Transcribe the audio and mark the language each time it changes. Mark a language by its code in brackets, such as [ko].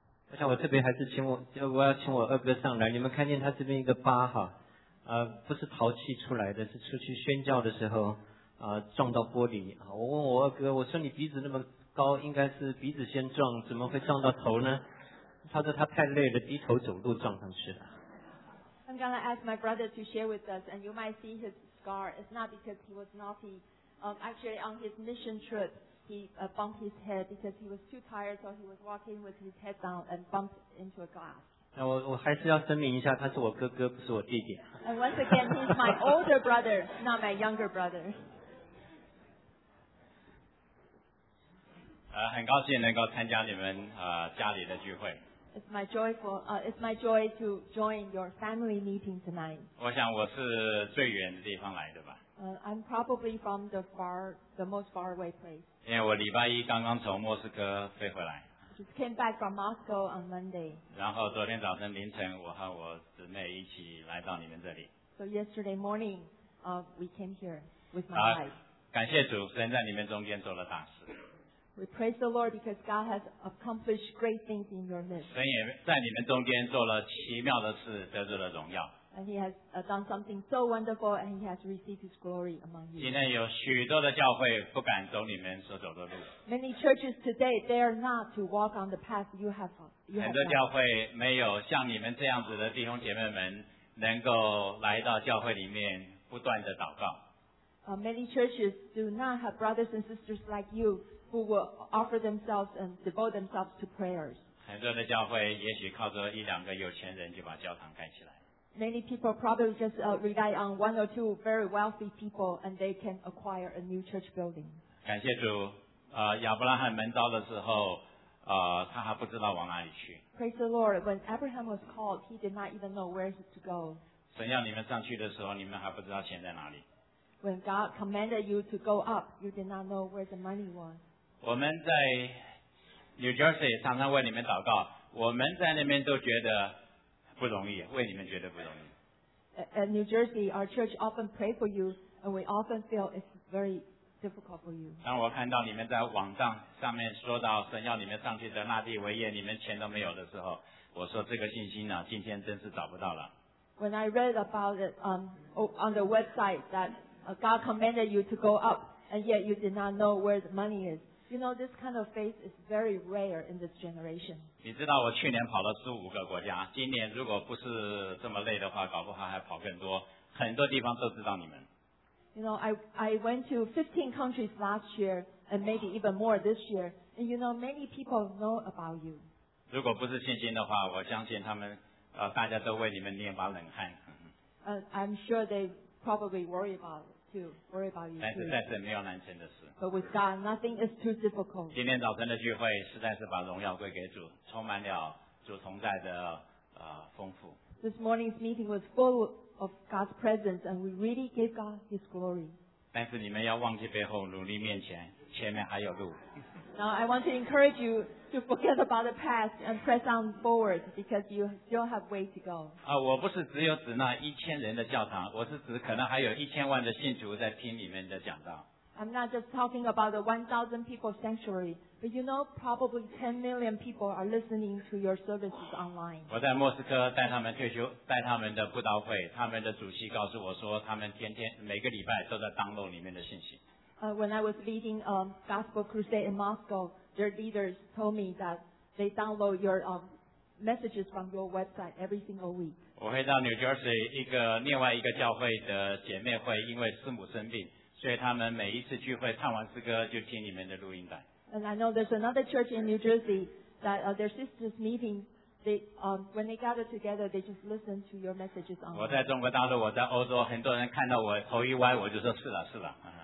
[zh] 我想我这边还是请我要请我二哥上来。你们看见他这边一个疤哈，不是淘气出来的，是出去宣教的时候撞到玻璃。我问我二哥，我说你鼻子那么高，应该是鼻子先撞，怎么会撞到头呢？他说他太累了，低头走路撞上去了。 [en] I'm going to ask my brother to share with us, and you might see his scar. It's not because he was naughty. Actually, on his mission trip, he bumped his head because he was too tired, so he was walking with his head down and bumped into a glass. [zh] 我还是要声明一下，他是我哥哥，不是我弟弟。 [en] And once again, he's my older brother, not my younger brother. [zh] 很高兴能够参加你们家里的聚会。 [en] It's my joy to join your family meeting tonight. [zh] 我想我是最远的地方来的吧。 [en] I'm probably from the most far away place. [zh] 因为我礼拜一刚刚从莫斯科飞回来。 [en] Just came back from Moscow on Monday. [zh] 然后昨天早晨凌晨，我和我姊妹一起来到你们这里。 [en] So yesterday morning, we came here with my wife. [zh] 感谢主，神在你们中间做了大事。 [en] We praise the Lord because God has accomplished great things in your midst. [zh] 神也在你们中间做了奇妙的事，得着了荣耀。 [en] And He has done something so wonderful, and He has received His glory among you. [zh] 今天有许多的教会不敢走你们所走的路。 [en] Many churches today dare not to walk on the path you have. [zh] 很多教会没有像你们这样子的弟兄姐妹们能够来到教会里面不断的祷告。 [en] Many churches do not have brothers and sisters like you. Who will offer themselves and devote themselves to prayers? [zh] 很多的教会也许靠着一两个有钱人就把教堂盖起来。 [en] Many people probably just rely on one or two very wealthy people, and they can acquire a new church building. [zh] 感谢主，亚伯拉罕蒙召的时候，他还不知道往哪里去。 [en] Praise the Lord, when Abraham was called, he did not even know where to go. [zh] 神要你们上去的时候，你们还不知道钱在哪里。 [en] When God commanded you to go up, you did not know where the money was. [zh] 我们在 New Jersey 常常为你们祷告，我们在那边都觉得不容易，为你们觉得不容易。 [en] At New Jersey, our church often pray for you, and we often feel it's very difficult for you. [zh] 当我看到你们在网站上面说到神要你们上去得那地为业，你们钱都没有的时候，我说这个信心呢，今天真是找不到了。 [en] When I read about it on the website that God commanded you to go up, and yet you did not know where the money is, you know this kind of faith is very rare in this generation. [zh] 你知道我去年跑了15个国家，今年如果不是这么累的话，搞不好还跑更多，很多地方都知道你们。 [en] You know, I went to 15 countries last year, and maybe even more this year, and you know, many people know about you. [zh] 如果不是信心的话，我相信他们大家都为你们捏把冷汗。 [en] I'm sure they probably worry about you. [zh] 但是在这没有难成的事。 [en] But with God, nothing is too difficult. [zh] 今天早晨的聚会实在是把荣耀归给主，充满了主同在的丰富。 [en] This morning's meeting was full of God's presence, and we really give God His glory. [zh] 但是你们要忘记背后，努力面前，前面还有路。 [en] Now I want to encourage you to forget about the past and press on forward because you still have way to go. [zh] 我不是只有指那1000人的教堂，我是指可能还有10000万的信徒在听你们的讲道。 [en] I'm not just talking about the 1,000 people sanctuary, but you know, probably 10 million people are listening to your services online. [zh] 我在莫斯科带他们退休，带他们的布道会，他们的主席告诉我说，他们天天每个礼拜都在 download 里面的信息。 [en] When I was leading a gospel crusade in Moscow, their leaders told me that they download your messages from your website every single week. [zh] 我会到 New Jersey 另外一个教会的姐妹会，因为师母生病，所以他们每一次聚会唱完诗歌就听你们的录音带。 [en] And I know there's another church in New Jersey that their sisters meeting, they when they gather together, they just listen to your messages online. [zh] 我在中国大陆，我在欧洲，很多人看到我头一歪，我就说是了是了。